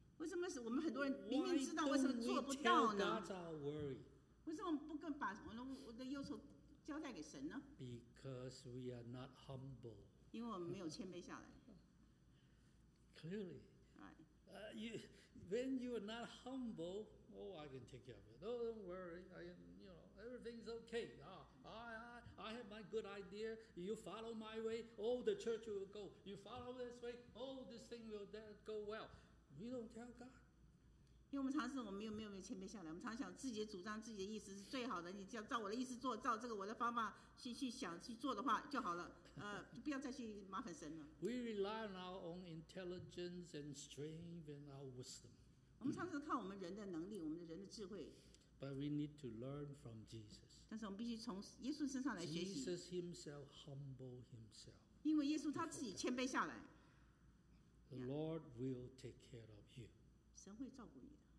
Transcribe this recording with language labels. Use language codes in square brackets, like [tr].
[zh] 为什么我们很多人明明知道为什么做不到呢？ [en] Why don't we tell God our worry? [zh] 为什么不肯把我的忧愁交代给神呢？ [en] Because we are not humble. [zh] 因为我们没有谦卑下来。 [en] Clearly. Right. When you are not humble, oh, I can take care of it. Oh, don't worry. Everything's okay. I have my good idea. You follow my way. Oh, the church will go. You follow this way. Oh, this thing will go well. We don't tell God. [zh] 因为我们常常我们没有谦卑下来，我们常想自己的主张、自己的意思是最好的。你只要照我的意思做，照这个我的方法去想去做的话就好了。就不要再去麻烦神了。 [en] We rely on our own intelligence and strength and our wisdom. [zh] 我们常常靠我们人的能力、我们的人的智慧。 [en] But we need to learn from Jesus. [zh] 但是我们必须从耶稣身上来学习。 [en] Jesus Himself humbled Himself. [zh] 因为耶稣他自己谦卑下来。 [en] The Lord will take care of you. [zh] 神会照顾你的。